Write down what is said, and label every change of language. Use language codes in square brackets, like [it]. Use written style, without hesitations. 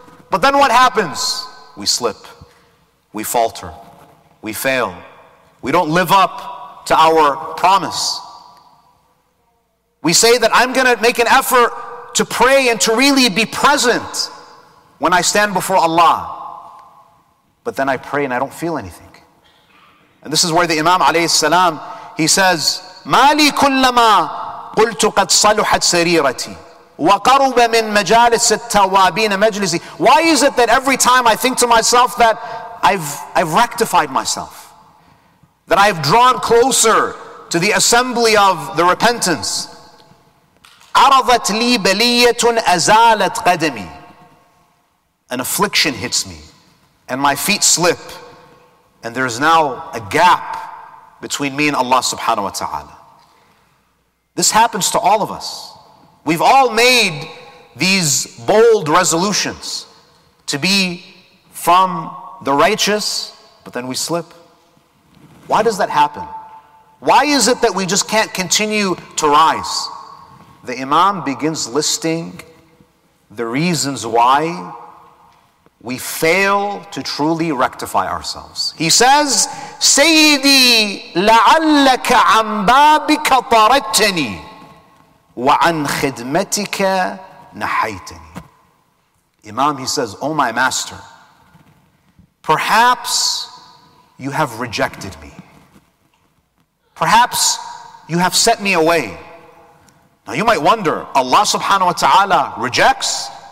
[en] But then what happens? We slip. We falter. We fail. We don't live up to our promise. We say that I'm going to make an effort to pray and to really be present when I stand before Allah. But then I pray and I don't feel anything. And this is where the Imam alayhi salam, he says, [ar] مالي كلما قلت قد صلحت سريرتي وقرب من مجالس التوابين مجلسي. [en] Why is it that every time I think to myself that I've rectified myself, that I've drawn closer to the assembly of the repentance? [ar] عرضت لي بلية أزالت قدمي. [en] An affliction hits me and my feet slip and there is now a gap between me and Allah subhanahu wa ta'ala. This happens to all of us. We've all made these bold resolutions to be from the righteous, but then we slip. Why does that happen? Why is it that we just can't continue to rise? The Imam begins listing the reasons why we fail to truly rectify ourselves. He says, [ar] سيدي لعلك عن بابك طردتني وعن خدمتك نحيتني. [en] Imam, he says, oh my master, perhaps you have rejected me. Perhaps you have set me away. Now you might wonder, Allah subhanahu wa ta'ala rejects?